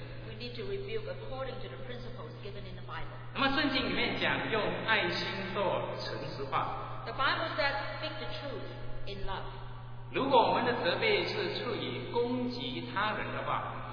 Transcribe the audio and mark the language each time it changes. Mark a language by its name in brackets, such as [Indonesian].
[English] We need to rebuke according to the principles given in the Bible. [Chinese] 那么圣经里面讲用爱心说诚实话。 [English] The Bible says speak the truth in love. [Chinese] 如果我们的责备是出于攻击他人的话。